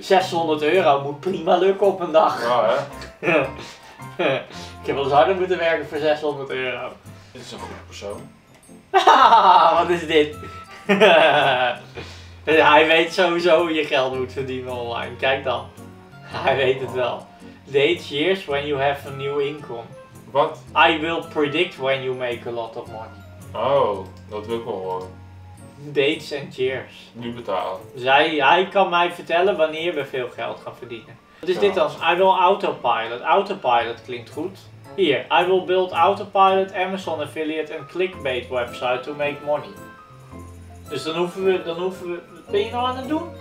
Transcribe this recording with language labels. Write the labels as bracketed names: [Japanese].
[Dutch] €600 moet prima lukken op een dag. Ja, hè? Ik heb wel eens harder moeten werken voor €600. Dit is een goede persoon. wat is dit? Hij weet sowieso hoe je geld moet verdienen online. Kijk dan. Hij weet het wel. [English] Date years when you have a new income. [Dutch] Wat? [English] I will predict when you make a lot of money. [Dutch] Oh, dat wil ik wel horen. [English] Dates and years. [Dutch] Nu betalen. Hij kan mij vertellen wanneer we veel geld gaan verdienen. Wat is dit dan? [English] I will autopilot. [Dutch] Autopilot klinkt goed. [English] Hier, I will build autopilot, Amazon affiliate en clickbait website to make money. [Dutch] Dus dan hoeven we... Ben je nou aan het doen?